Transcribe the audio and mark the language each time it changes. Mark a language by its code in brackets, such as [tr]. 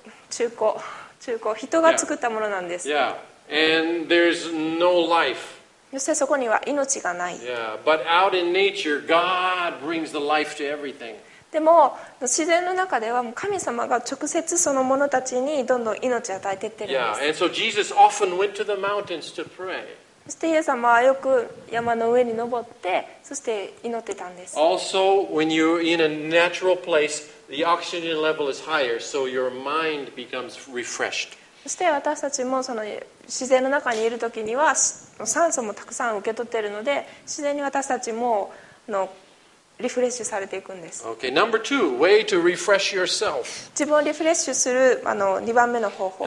[ja] 中古人が作ったものなんです。 [en] Yeah. Yeah. And there's no life. [ja] そしてそこには命がない。 [en] Yeah. But out in nature, God brings the life to everything. [ja] でも自然の中では神様が直接その者たちにどんどん命を与えていってるんです。 [en] Yeah, and so Jesus often went to the mountains to pray. [ja] そしてイエス様はよく山の上に登ってそして祈ってたんです。 [en] Also, when you're in a natural place, the oxygen level is higher, so your mind becomes refreshed. [ja] そして私たちもその自然の中にいる時には酸素もたくさん受け取っているので自然に私たちもリフレッシュされていくんです。 [en] Okay, number two, way to refresh yourself. [ja] 自分をリフレッシュする2番目の方法。